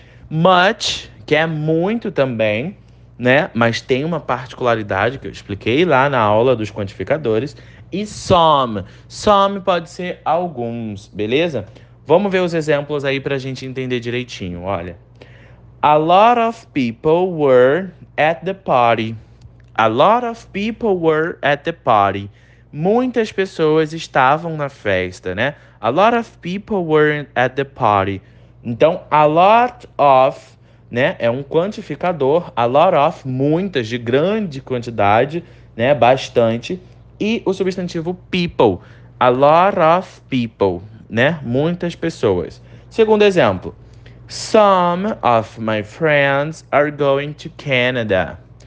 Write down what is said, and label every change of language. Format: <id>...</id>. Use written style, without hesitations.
<pt>Much, que é muito também, né? Mas tem uma particularidade que eu expliquei lá na aula dos quantificadores. E some. Some pode ser alguns, beleza? Vamos ver os exemplos aí para a gente entender direitinho. Olha.</pt> <en>A lot of people were at the party. A lot of people were at the party.</en> <pt>Muitas pessoas estavam na festa, né?</pt> <en>A lot of people were at the party.</en> <pt>Então, a lot of, né? É um quantificador. A lot of, muitas, de grande quantidade, né? Bastante. E o substantivo people.</pt> <en>A lot of people,</en> <pt>né? Muitas pessoas. Segundo exemplo.</pt> <en>Some of my friends are going to Canada.</en>